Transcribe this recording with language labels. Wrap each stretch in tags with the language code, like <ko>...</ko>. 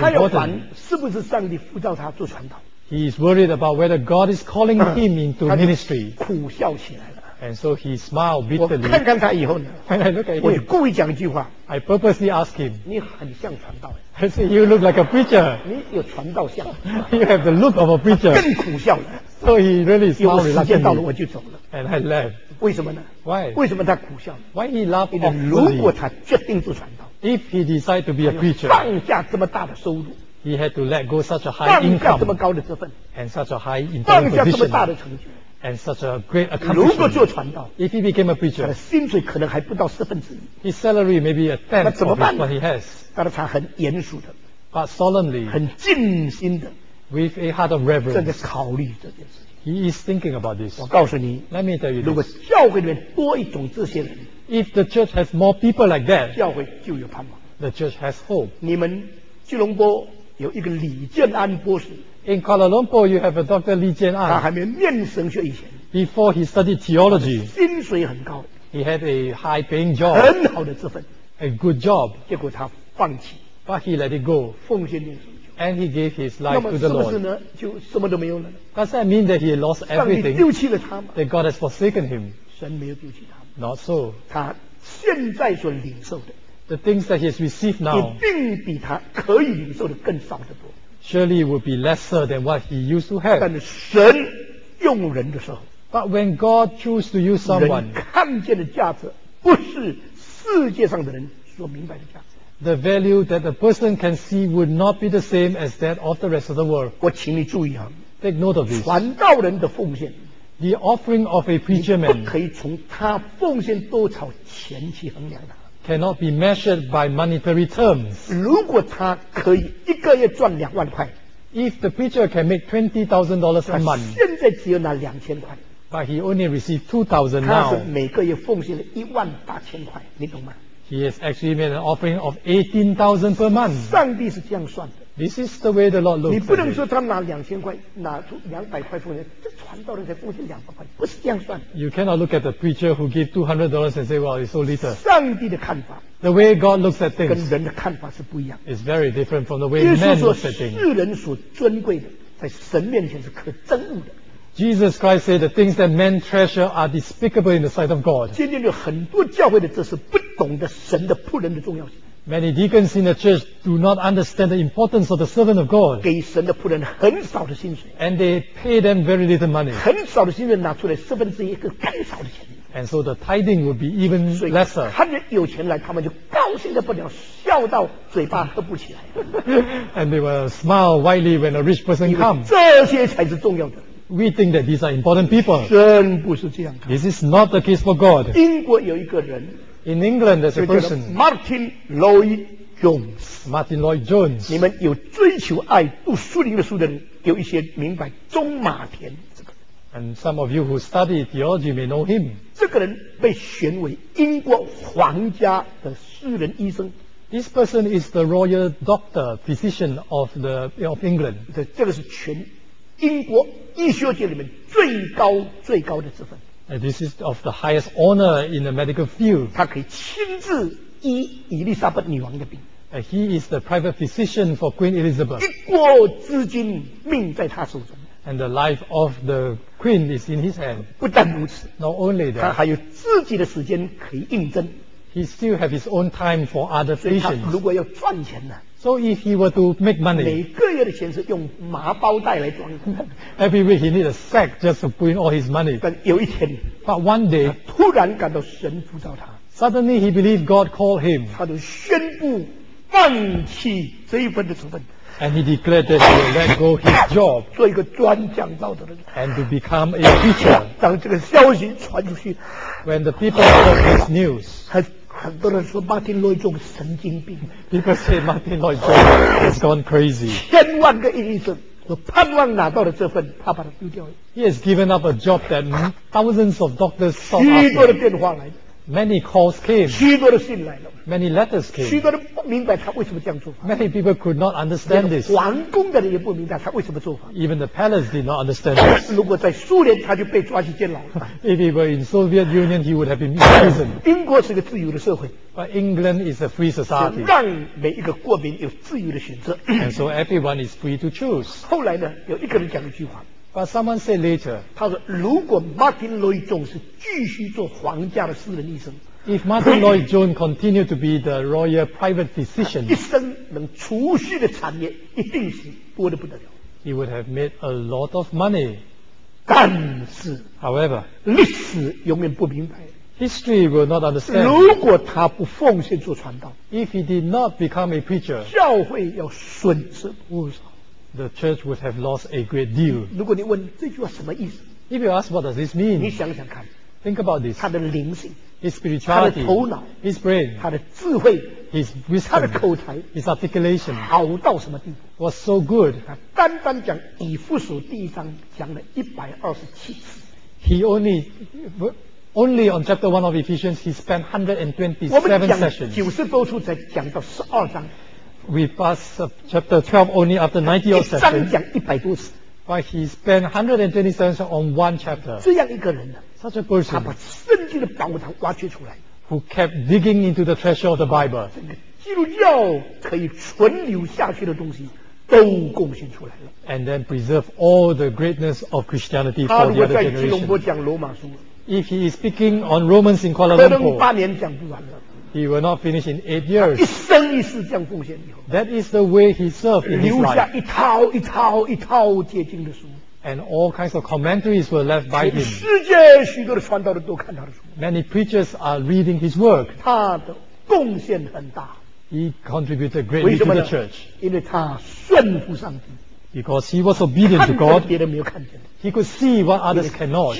<zh>他要烦是不是上帝呼召他做传道</zh> <en>He is worried about whether God is calling him into ministry</en> <zh>苦笑起来了</zh> <en>And so he smiled bitterly</en> <zh>我看看他以后呢</zh> <en>When I look at him</en> <zh>我就故意讲一句话</zh> <en>I purposely ask him</en> <zh>你很像传道</zh> <en>I say you look like a preacher</en> <zh>你有传道像</zh> <en>You have the look of a preacher</en> <zh>更苦笑了</zh> <en>So he really smiled reluctantly</en> <zh>时间到了我就走了</zh> <en>And I left</en> <zh>为什么呢</zh> <en>Why?</en> <zh>为什么他苦笑</zh> <en>Why he laughed awfully?</en> <zh>如果他决定做传道</zh> <en>If he decided to be a preacher</en> <zh>放下这么大的收入</zh> <en>He had to let go such a high income</en> <zh>放下这么高的职分</zh> <en>And such a high employment position</en> <zh>放下这么大的成就</zh> <en>And such a great accomplishment</en> <zh>如果做传道</zh> <en>If he became a preacher</en> <zh>他的薪水可能还不到四分之一</zh> <en>His salary may be a tenth of what he has</en> <zh>但是他很严肃的</zh> <en>But solemnly</en> <zh>很尽心的</zh> <en>With a heart of reverence</en> <zh>正在考虑这件事</zh> <en>He is thinking about this.</en> <zh>我告诉你</zh> <en>Let me tell you</en> <zh>如果教会里面多一种这些人</zh> <en>If the church has more people like that</en> <zh>教会就有盼望</zh> <en>The church has hope</en> <zh>你们吉隆坡有一个李建安博士</zh> <en>In Kuala Lumpur you have a Dr. Lee Jian An</en> <zh>他还没念神学以前</zh> <en>Before he studied theology</en> <zh>薪水很高</zh> <en>He had a high paying job</en> <zh>很好的职分</zh> <en>A good job</en> <zh>结果他放弃</zh> <en>But he let it go</en> <zh>奉献念书</zh> <en>And he gave his life to the Lord.</en> <zh>那么是不是呢？就什么都没有了呢</zh> <en>Does that mean that he lost everything?</en> <zh>上帝丢弃了他吗？</zh> <en>That God has forsaken him?</en> <zh>神没有丢弃他。</zh> <en>Not so.</en> <zh>他现在所领受的</zh> <en>The things that he has received now</en> <zh>也并比他可以领受的更少得多。</zh> <en>Surely it would be lesser than what he used to have.</en> <zh>但是神用人的时候</zh> <en>But when God chose to use someone</en> <zh>人看见的价值不是世界上的人所明白的价值</zh> <en>The value that a person can see would not be the same as that of the rest of the world.</en> <zh>我请你注意啊</zh> <en>Take note of this.</en> <zh>传道人的奉献</zh> <en>The offering of a preacher man</en> <zh>你不可以从他奉献多少钱去衡量他</zh> <en>Cannot be measured by monetary terms.</en> <zh>如果他可以一个月赚两万块</zh> <en>If the preacher can make $20,000 a month</en> <zh>他现在只有拿两千块</zh> <en>But he only received $2,000 now.</en> <zh>他是每个月奉献了一万八千块你懂吗</zh> <en>He has actually made an offering of 18,000 per month.</en> <zh>上帝是这样算的。</zh> <en>This is the way the Lord looks.</en> <zh>你不能说他拿两千块，拿出两百块奉献，这传道人才奉献两百块，不是这样算的。</zh> <en>You cannot look at the preacher who gave $200 and say, "Well, it's so little."</en> <zh>上帝的看法。</zh> <en>The way God looks at things.</en> <zh>跟人的看法是不一样。</zh> <en>It's very different from the way man looks at things.</en> <zh>世人所尊贵的，在神面前是可憎恶的。</zh> <en>Jesus Christ said, "The things that men treasure are despicable in the sight of God."</en> <zh>今天有很多教会的这是不。懂得神的仆人的重要性。</zh> <en>Many deacons in the church do not understand the importance of the servant of God.</en> <zh>给神的仆人很少的薪水。</zh> <en>And they pay them very little money.</en> <zh>很少的薪水拿出来四分之一，更少的钱。</zh> <en>And so the tithing would be even lesser.</en> <zh>看着有钱来，他们就高兴得不了，笑到嘴巴合不起来。</zh> <en>And they will smile widely when a rich person comes.</en> <zh>这些才是重要的。</zh> <en>We think that these are important people.</en> <zh>神不是这样看。</zh> <en>This is not the case for God.</en> <zh>英国有一个人。</zh> <en>In England, there's a person, Martin Lloyd Jones, Martin Lloyd Jones，</en> <zh>你们有追求爱读苏灵的书的人，有一些明白中马田。</zh> <en>And some of you who study theology may know him.</en> <zh>这个人被选为英国皇家的私人医生。</zh> <en>This person is the royal doctor, physician of England.</en> <zh>这个是全英国医学界里面最高最高的职分。</zh> <en>And this is of the highest honor in the medical field.</en> <zh>他可以亲自医伊丽莎白女王的病。</zh> <en>He is the private physician for Queen Elizabeth.</en> <zh>一国之君，命在他手中。</zh> <en>And the life of the queen is in his hand.</en> <zh>不但如此，</zh> <en>not only that,</en> <zh>他还有自己的时间可以应征。</zh> <en>He still have his own time for other patients.</en> <zh>如果要赚钱呢？</zh> <en>So if he were to make money,</en> <zh>每个月的钱是用麻包袋来装的。</zh> <en>Every week he need a sack just to put in all his money.</en> <zh>但有一天，</zh> <en>but one day,</en> <zh>突然感到神呼召他。</zh> <en>Suddenly he believed God called him.</en> <zh>他就宣布放弃这一份的职分。</zh> <en>And he declared that he will let go his job,</en> <zh>做一个专讲道的人</zh> <en>and to become a teacher.</en> <zh>当这个消息传出去，</zh> <en>when the people heard this news,</en> <zh>很多人说 Martin Lloyd Jones 神经病，</zh> <en>people say Martin Lloyd Jones has gone crazy.</en> <zh>千万个医生都盼望拿到了这份，他把它丢掉了。</zh> <en>He has given up a job that thousands of doctors sought after.</en> <zh>许多的电话来了。</zh> <en>Many calls came.</en> <zh>许多的信来了。</zh> <en>Many letters came.</en> <zh>许多人不明白他为什么这样做法。</zh> <en>Many people could not understand this.</en> <zh>皇宫的人也不明白他为什么做法。</zh> <en>Even the palace did not understand this.</en> <zh>如果在苏联，他就被抓去监牢了。</zh> <en>If he were in Soviet Union, he would have been imprisoned.</en> <zh>英国是个自由的社会。</zh> <en>But England is a free society.</en> <zh>让每一个国民有自由的选择。</zh> <en>And so everyone is free to choose.</en> <zh>后来呢，有一个人讲了一句话。</zh> <en>But someone said later,</en> <zh>他说如果 Martin Lloyd Jones 继续做皇家的私人医生，</zh> <en>If Martin Lloyd Jones continued to be the royal private physician,</en> <zh>一生能储蓄的产业一定是多得不得了。</zh> <en>He would have made a lot of money.</en> <zh>但是</zh> <en>However,</en> <zh>历史永远不明白，</zh> <en>History will not understand.</en> <zh>如果他不奉献做传道，</zh> <en>If he did not become a preacher,</en> <zh>教会要损失不少。</zh> <en>The church would have lost a great deal.</en> <zh>如果你问这句话什么意思？</zh> <en>If you ask what does this mean?</en> <zh>你想想看。</zh> <en>Think about this.</en> <zh>他的灵性。</zh> <en>His spirituality.</en> <zh>他的头脑。</zh> <en>His brain.</en> <zh>他的智慧。</zh> <en>His wisdom.</en> <zh>他的口才。</zh> <en>His articulation.</en> <zh>好到什么地步？</zh> <en>Was so good.</en> <zh>他单单讲以弗所第一章讲了127次。</zh> <en>He only on chapter 1 of Ephesians he spent 127 sessions.</en> <zh>我们讲90多处才讲到12章。</zh> <en>We pass chapter 12 only after 90 or</en> <zh>70. 一章讲一百多次。</zh> <en>But he spent 127 on one chapter.</en> <zh>这样一个人呢，</zh> <en>such a person,</en> <zh>他把圣经的宝藏挖掘出来。</zh> <en>Who kept digging into the treasure of the Bible.</en> <zh>整个基督教可以存留下去的东西都贡献出来了。</zh> <en>And then preserve all the greatness of Christianity for the other generation.</en> <zh>他如果在吉隆坡讲罗马书，</zh> <en>If he is speaking on Romans in Kuala Lumpur,</en> <zh>可能八年讲不完了。</zh> <en>He will not finish in 8 years.</en> <zh>一生一世这样奉献以后，</zh> <en>That is the way he served in his life.</en> <zh>留下一套一套一套解经的书。</zh> <en>And all kinds of commentaries were left by him.</en> <zh>世界许多的传道人都看他的书。</zh> <en>Many preachers are reading his work.</en> <zh>他的贡献很大。</zh> <en>He contributed greatly to the church.</en> <zh>因为他顺服上帝。</zh> <en>Because he was obedient to God.</en> <zh>看见别人没有看见的。</zh> <en>He could see what others cannot.</en>